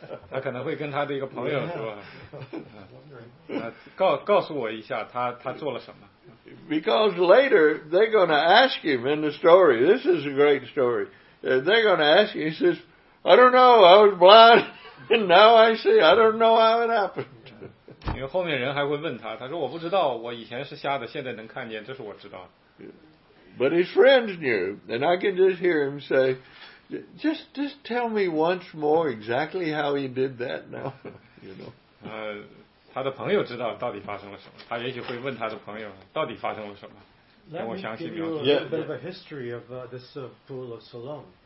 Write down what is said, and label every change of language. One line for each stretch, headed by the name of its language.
Chinese: 他可能会跟他的一个朋友说，告诉我一下他做了什么。
English: Because later they're going to ask him in the story. This is a great story. They're going to ask him. He says, "I don't know. I was blind, and now I see. I don't know how it happened."
Chinese: 因为后面人还会问他，他说我不知道，我以前是瞎的，现在能看见，这是我知道。
English: But his friends knew, and I can just hear him say, "Just tell me once more exactly how he did that now." You know.
Chinese: 他的朋友知道到底发生了什么，他也许会问他的朋友到底发生了什么，让我详细描述。
English: Let me give you a bit of a history of this pool of Siloam.